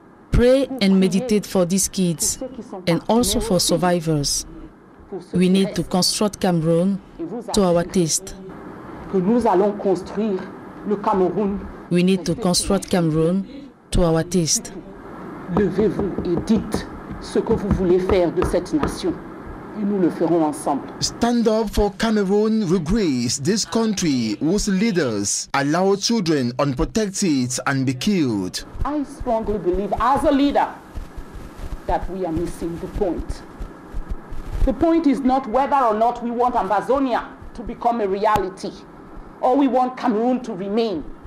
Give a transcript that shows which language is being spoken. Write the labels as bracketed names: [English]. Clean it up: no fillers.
[English] Pray and meditate for these kids and also for survivors. We need to construct Cameroon to our taste. We need to construct Cameroon to our taste. [French] Levez-vous et dites ce que vous voulez faire de cette nation. Et nous le ferons ensemble. [English] Stand up for Cameroon regrets this country whose leaders allow children unprotected and be killed. I strongly believe as a leader that we are missing the point. The point is not whether or not we want Ambazonia to become a reality or we want Cameroon to remain.